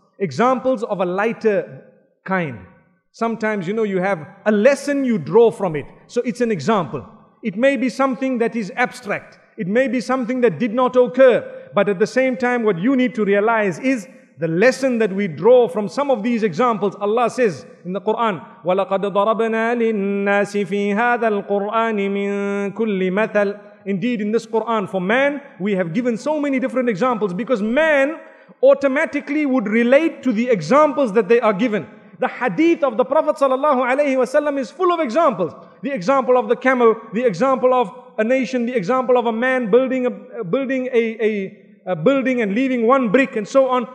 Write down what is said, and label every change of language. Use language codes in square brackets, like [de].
[en] Examples of a lighter kind. Sometimes, you know, you have a lesson you draw from it. So it's an example. It may be something that is abstract. It may be something that did not occur. But at the same time, what you need to realize is the lesson that we draw from some of these examples. Allah says in the Quran, [ar] وَلَقَدْ ضَرَبْنَا لِلنَّاسِ فِي هَذَا الْقُرْآنِ مِنْ كُلِّ مَثَلٍ. [en] Indeed, in this Quran, for man, we have given so many different examples because man automatically would relate to the examples that they are given. The hadith of the Prophet sallallahu alaihi wasallam is full of examples. The example of the camel, the example of a nation, the example of a man building a building and leaving one brick and so on.